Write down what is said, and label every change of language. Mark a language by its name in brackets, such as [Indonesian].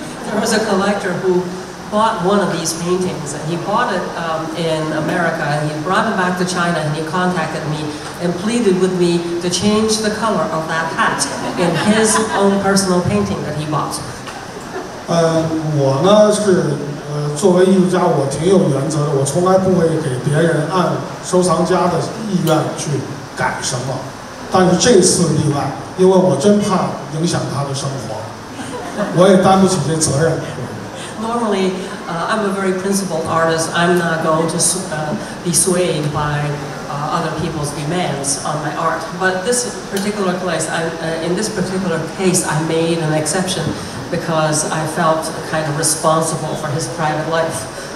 [English] There was a collector who bought one of these paintings, and he bought it in America, and he brought it back to China, and he contacted me and pleaded with me to change the color of that hat in his own personal painting that he bought. [Chinese] 我呢是作为艺术家，我挺有原则的，我从来不会给别人按收藏家的意愿去改什么，但是这次例外，因为我真怕影响他的生活，我也担不起这责任。 [English] normally, I'm a very principled artist. I'm not going to be swayed by other people's demands on my art. But this particular place, in this particular case, I made an exception because I felt kind of responsible for his private life.